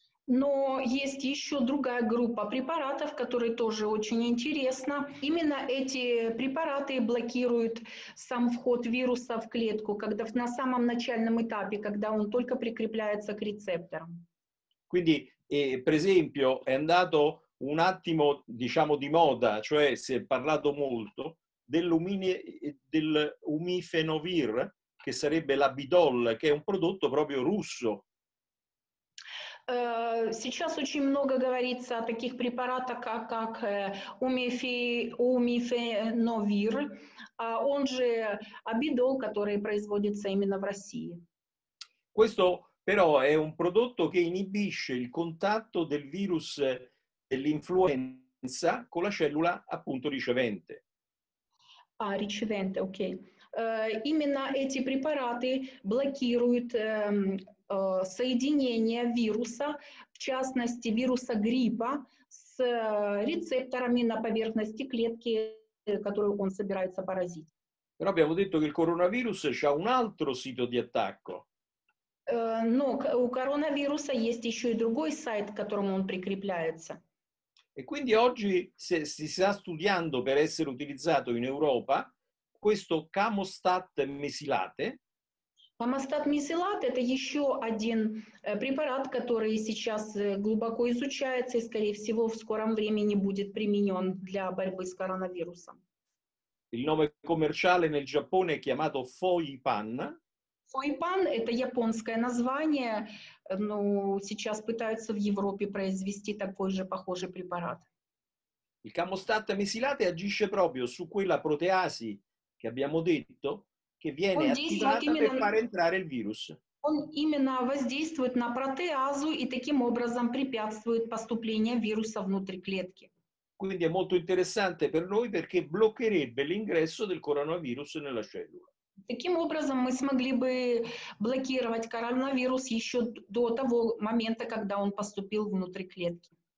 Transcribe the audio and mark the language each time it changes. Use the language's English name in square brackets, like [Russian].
[Russian] Но есть еще другая группа препаратов, которые тоже очень интересны. Именно эти препараты блокируют сам вход вируса в клетку, когда на самом начальном этапе, когда он только прикрепляется к рецепторам. [Italian] Quindi, per esempio, è andato un attimo, diciamo, di moda, cioè si è parlato molto dell'umifenovir, che sarebbe l'abidol, che è un prodotto proprio russo. [Russian] Сейчас очень много говорится о таких препаратах, как умифеновир, он же абидол, который производится именно в России. [Italian] Questo però è un prodotto che inibisce il contatto del virus dell'influenza con la cellula appunto ricevente. Ah, ricevente, ok. [Russian] Именно эти препараты блокируют соединение вируса, в частности вируса гриппа, с рецепторами на поверхности клетки, которую он собирается поразить. [Italian] Però abbiamo detto che il coronavirus c'ha un altro sito di attacco. [Russian] Но у коронавируса есть еще и другой сайт, к которому он прикрепляется. [Italian] E quindi oggi si sta studiando per essere utilizzato in Europa questo Camostat mesilate. [Russian] Камостат месилат – это еще один препарат, который сейчас глубоко изучается и, скорее всего, в скором времени будет применен для борьбы с коронавирусом. [Italian] Il nome commerciale nel Giappone è chiamato Foipan. [Russian] Foipan – это японское название, но сейчас пытаются в Европе произвести такой же похожий препарат. [Italian] Il Camostat mesilate agisce proprio su quella proteasi che abbiamo detto, che viene attivata per far entrare il virus. [Russian] Он именно воздействует на протеазу и таким образом препятствует поступлению вируса внутрь клетки. [Italian] Quindi è molto interessante per noi perché bloccherebbe l'ingresso del coronavirus nella cellula. [Russian] Таким образом мы смогли бы блокировать коронавирус еще до того момента, когда он поступил внутрь клетки.